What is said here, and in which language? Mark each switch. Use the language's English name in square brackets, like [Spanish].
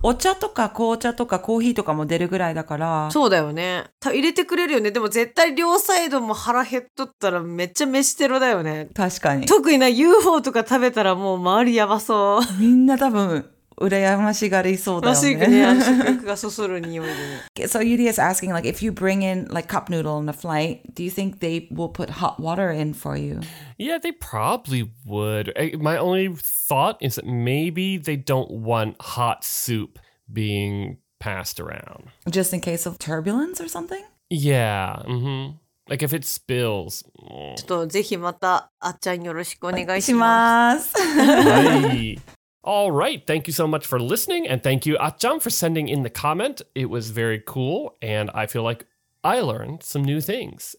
[Japanese] お茶とか紅茶とかコーヒーとかも出るぐらいだから。そうだよね、入れてくれるよね。でも絶対両サイドも腹減っとったらめっちゃ飯テロだよね。確かに。特にな、 UFO とか食べたらもう周りやばそう。みんな多分羨ましがりそうだよね。食欲がそそる匂いで。 [English] So Yuri is asking, like, if you bring in like cup noodle on a flight, do you think they will put hot water in for you? Yeah, they probably would. My only thought is that maybe they don't want hot soup being passed around. Just in case of turbulence or something? Yeah. Mm-hmm. Like if it spills. [Japanese] ちょっとぜひまたあっちゃんよろしくお願いします。 [English] はい。All right. Thank you so much for listening. And thank you, Ah-chan, for sending in the comment. It was very cool. And I feel like I learned some new things.